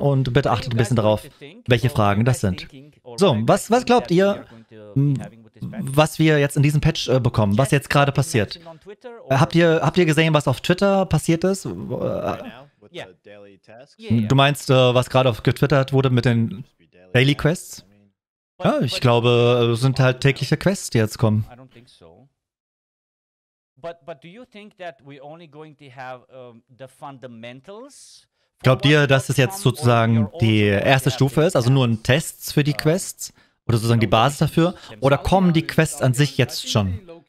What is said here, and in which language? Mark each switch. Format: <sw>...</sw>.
<de>Und bitte achtet ein bisschen darauf, welche Fragen das sind. So, was glaubt ihr, was wir jetzt in diesem Patch bekommen, was jetzt gerade passiert? Habt ihr gesehen, was auf Twitter passiert ist? Du meinst, was gerade getwittert wurde mit den Daily Quests? Ja, ich glaube, es sind halt tägliche Quests, die jetzt kommen.</de> <en>But do you think that we're only going to have the fundamentals?</en> <de>Glaubt ihr, dass es jetzt sozusagen die erste Stufe ist, also nur ein Test für die Quests oder sozusagen die Basis dafür? Oder kommen die Quests an sich jetzt schon?</de>